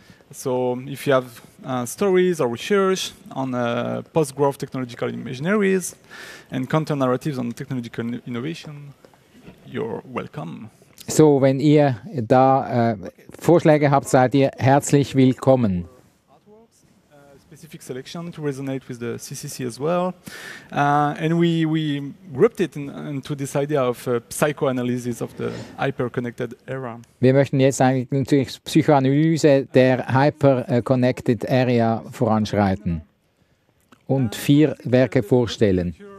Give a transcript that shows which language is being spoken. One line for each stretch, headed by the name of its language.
English: So, if you have stories or research on post-growth technological imaginaries and content narratives on technological innovation, you're welcome.
German: So, wenn ihr da Vorschläge habt, seid ihr herzlich willkommen.
English: Specific selection to resonate with the CCC as well, and we grouped it into this idea of psychoanalysis of the hyper-connected era.
German: Wir möchten jetzt eigentlich Psychoanalyse der hyper-connected area voranschreiten und vier Werke vorstellen.